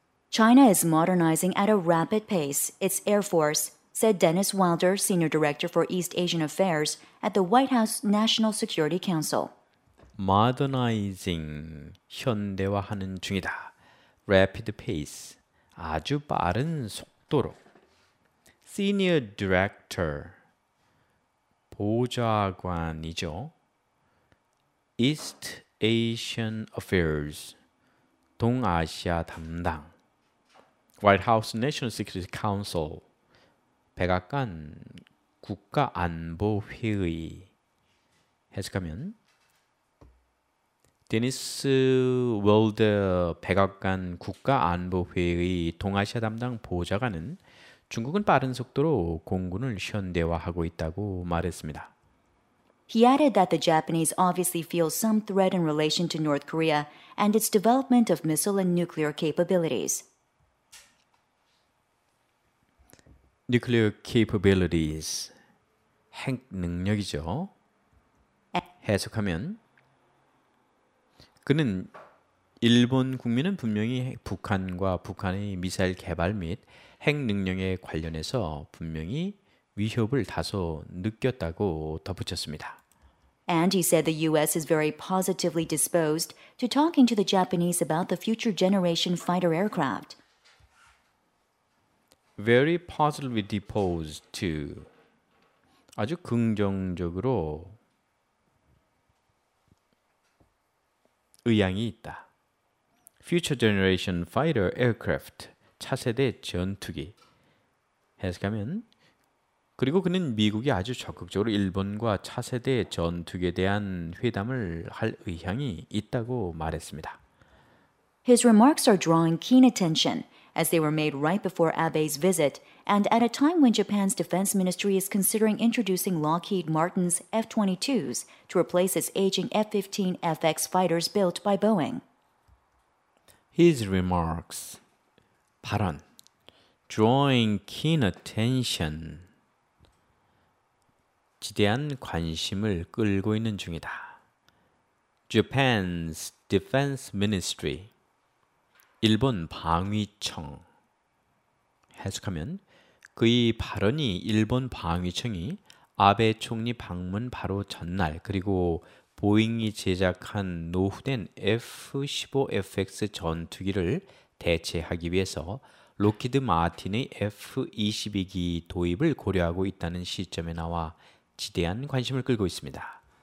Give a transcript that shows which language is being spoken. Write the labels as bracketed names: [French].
[English] China is modernizing at a rapid pace, its Air Force, said Dennis Wilder, Senior Director for East Asian Affairs at the White House National Security Council. [Korean] Modernizing, 현대화하는 중이다. [English] Rapid pace, [Korean] 아주 빠른 속도로. [English] Senior Director, [Korean] 보좌관이죠. [English] East Asian Affairs, [Korean] 동아시아 담당. [English] White House National Security Council, [Korean] 백악관 국가안보회의. 해석하면 데니스 월드 백악관 국가안보회의 동아시아 담당 보좌관은 중국은 빠른 속도로 공군을 현대화하고 있다고 말했습니다. [English] He added that the Japanese obviously feels some threat in relation to North Korea and its development of missile and nuclear capabilities. Nuclear capabilities, [Korean] 핵 능력이죠. 해석하면 그는 일본 국민은 분명히 북한과 북한의 미사일 개발 및 핵 능력에 관련해서 분명히 위협을 다소 느꼈다고 덧붙였습니다. [English] And he said the U.S. is very positively disposed to talking to the Japanese about the future generation fighter aircraft. Very positively disposed to. [Korean] 아주 긍정적으로 의향이 있다. [English] Future generation fighter aircraft. [Korean] 차세대 전투기. 해석하면 그리고 그는 미국이 아주 적극적으로 일본과 차세대 전투기에 대한 회담을 할 의향이 있다고 말했습니다. [English] His remarks are drawing keen attention as they were made right before Abe's visit and at a time when Japan's defense ministry is considering introducing Lockheed Martin's F-22s to replace its aging F-15FX fighters built by Boeing. His remarks [Korean] 발언 [English] drawing keen attention [Korean] 지대한 관심을 끌고 있는 중이다. [English] Japan's Defense Ministry [Korean] 일본 방위청 해석하면 그의 발언이 일본 방위청이 아베 총리 방문 바로 전날 그리고 보잉이 제작한 노후된 F-15FX 전투기를 대체하기 위해서 로키드 마틴의 F-22기 도입을 고려하고 있다는 시점에 나와 지대한 관심을 끌고 있습니다.